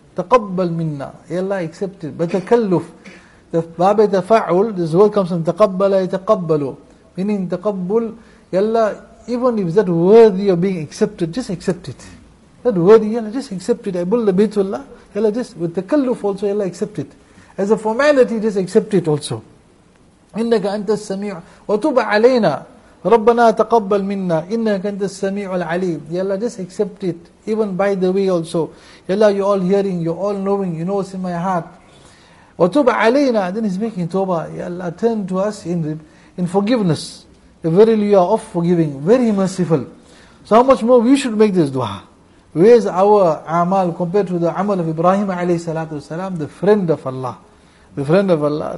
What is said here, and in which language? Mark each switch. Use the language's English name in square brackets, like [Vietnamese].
[English] Taqabbal minna. Ya Allah, accept it. But takalluf. The Baba Tafa'ul, this word comes from taqabbala yataqabbalu. Meaning taqabbul, Ya Allah, even if that worthy of being accepted, just accept it. That worthy, Ya Allah, just accept it. I build the Baytullah. Ya Allah, just with takalluf also, Ya Allah, accept it. As a formality, just accept it also. [Arabic] إِنَّكَ أَنْتَ السَّمِيعُ وَتُبْ عَلَيْنَا رَبَّنَا تَقَبَّلْ مِنَّا إِنَّكَ أَنْتَ السَّمِيعُ الْعَلِيمُ [English] Ya Allah, just accept it. Even by the way also. Ya Allah, you're all hearing, you're all knowing, you know what's in my heart. [Arabic] وَتُبْ عَلَيْنَا [English] Then he's making tawbah. Ya Allah, turn to us in forgiveness. Verily you are of forgiving, very merciful. So how much more we should make this dua? Where is our amal compared to the amal of Ibrahim alayhi salatu wasalam, the friend of Allah? The friend of Allah.